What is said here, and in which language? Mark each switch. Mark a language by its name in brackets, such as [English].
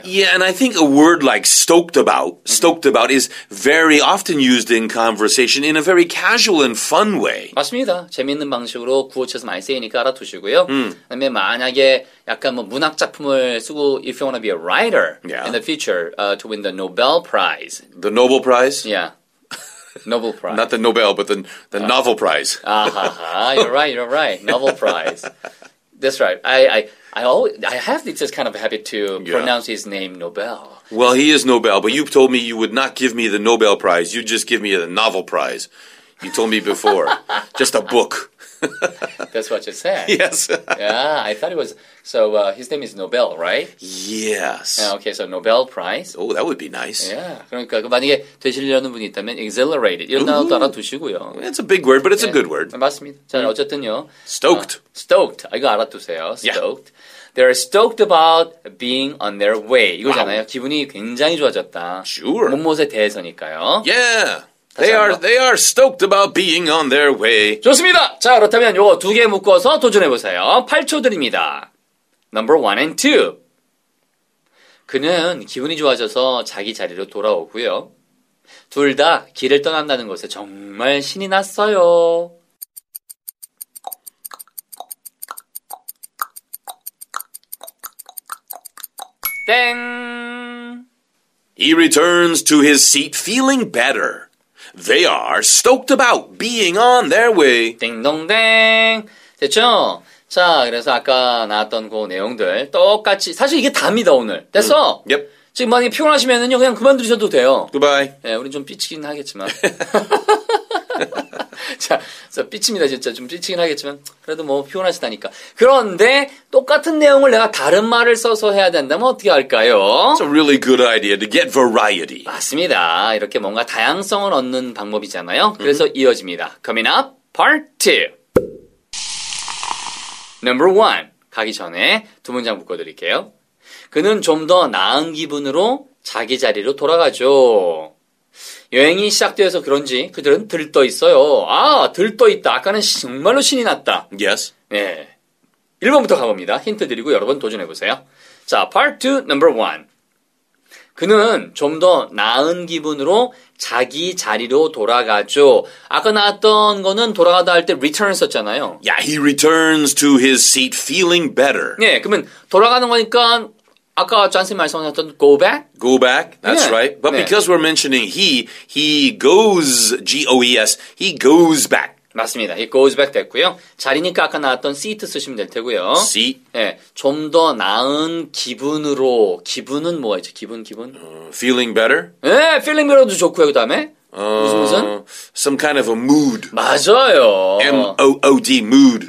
[English] Yeah, and I think a word like stoked about is very often used in conversation in a very casual and fun way. [Korean] 맞습니다. 재미있는 방식으로 구어체에서 많이 쓰이니까 알아두시고요. 그다음에 만약에 약간 뭐 문학 작품을 쓰고 [English] if you want to be a writer yeah. in the future to win the Nobel Prize. The Nobel Prize? Yeah. Nobel Prize. Not the Nobel, but the novel prize. Ah-ha-ha. You're right. Novel Prize. That's right. I have this kind of habit to pronounce his name Nobel. Well, he is Nobel, but you told me you would not give me the Nobel Prize. You'd just give me the novel prize. You told me before. Just a book. That's what you said. Yes. Yeah, I thought it was... So, his name is Nobel, right? Yes. Okay, so Nobel Prize. Oh, that would be nice. [Korean] Yeah. 그러니까 만약에 되시려는 분이 있다면 exhilarated. 이런 단어도 알아두시고요. [English] It's a big word, but it's a good word. [Korean] 맞습니다. 자, 어쨌든요. [English] Stoked. Stoked. [Korean] 이거 알아두세요. [English] Stoked. They're stoked about being on their way. [Korean] 이거잖아요. [English] Wow. [Korean] 기분이 굉장히 좋아졌다. [English] Sure. [Korean] 몸모세 대해서니까요. [English] Yeah. They are stoked about being on their way. [Korean] 좋습니다. 자, 그렇다면 요거 두 개 묶어서 도전해 보세요. 8초 드립니다. [English] Number 1 and 2. [Korean] 그는 기분이 좋아져서 자기 자리로 돌아오고요. 둘 다 길을 떠난다는 것에 정말 신이 났어요. [English] Dang. He returns to his seat feeling better. They are stoked about being on their way. [Korean] 띵동댕. 됐죠? 자, 그래서 아까 나왔던 그 내용들 똑같이. 사실 이게 답니다, 오늘. 됐어? [English] Yep. [Korean] 지금 만약에 피곤하시면은요, 그냥 그만두셔도 돼요. [English] Goodbye. [Korean] 예, 네, 우린 좀 삐치긴 하겠지만. 자, 그래서 삐칩니다, 진짜. 좀 삐치긴 하겠지만. 그래도 뭐, 피곤하시다니까. 그런데, 똑같은 내용을 내가 다른 말을 써서 해야 된다면 어떻게 할까요? [English] It's a really good idea to get variety. [Korean] 맞습니다. 이렇게 뭔가 다양성을 얻는 방법이잖아요. [English] 그래서 mm-hmm. [Korean] 이어집니다. [English] Coming up, part 2. Number 1. [Korean] 가기 전에 두 문장 묶어드릴게요. 그는 좀 더 나은 기분으로 자기 자리로 돌아가죠. 여행이 시작되어서 그런지 그들은 들떠 있어요. 아, 들떠 있다. 아까는 정말로 신이 났다. [English] Yes. [Korean] 네. 1번부터 가봅니다. 힌트 드리고 여러분 도전해보세요. [English] 자, part 2, number 1. [Korean] 그는 좀 더 나은 기분으로 자기 자리로 돌아가죠. 아까 나왔던 거는 돌아가다 할 때 return 썼잖아요. [English] Yeah, he returns to his seat feeling better. [Korean] 네, 그러면 돌아가는 거니까 아까 잔스 말씀하셨던 [English] go back? Go back, that's 네. right. But 네. because we're mentioning he goes, G-O-E-S, he goes back. [Korean] 맞습니다. [English] He goes back [Korean] 됐고요. 자리니까 아까 나왔던 seat 쓰시면 될 테고요. [English] Seat. [Korean] 네, 좀 더 나은 기분으로. 기분은 뭐가 있죠? 기분? [English] Feeling better? [Korean] 네, [English] feeling better [Korean] 도 좋고요. 그 다음에? 무슨? [English] Some kind of a mood. [Korean] 맞아요. [English] M-O-O-D, mood.